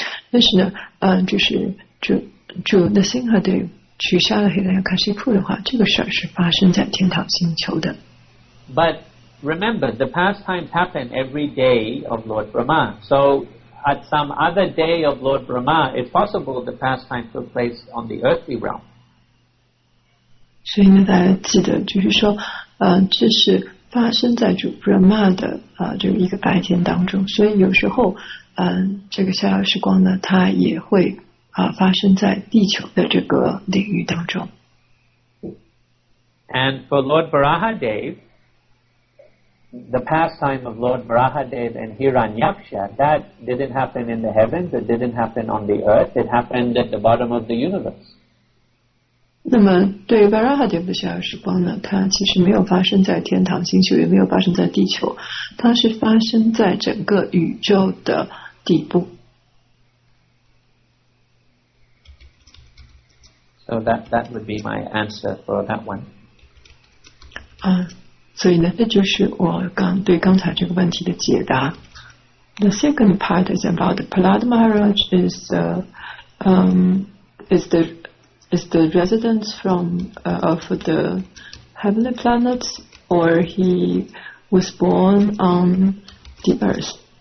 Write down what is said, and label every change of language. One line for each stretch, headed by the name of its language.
Chinese: 但是呢，就是就 Narasimhadev 取杀了 Hiranyakashipu 的话，这个事儿是发生在天堂星球的。
English: But remember, the pastimes happen every day of Lord Brahma. So. At some other day of Lord Brahma, it's possible the pastime took place on the earthly realm.
Chinese: 所以呢，大家记得，就是说，这是发生在主 Brahma 的这一个白天当中。所以有时候，这个逍遥时光呢，它也会发生在地球的这个领域当中。
English: And for Lord Varahadev, the pastime of Lord Varahadev and Hiranyaksha, that didn't happen in the heavens, it didn't happen on the earth, it happened at the bottom of the universe.
Chinese: 那么对 Varahadev 的逍遥时光呢，它其实没有发生在天堂星球，也没有发生在地球，它是发生在整个宇宙的底部。
English: So that would be my answer for that one.
Chinese: 所以呢，这就是我刚才这个问题的解答。
English: The second part is about Prahlad Maharaj is the residence of the heavenly planets, or he was born on the earth.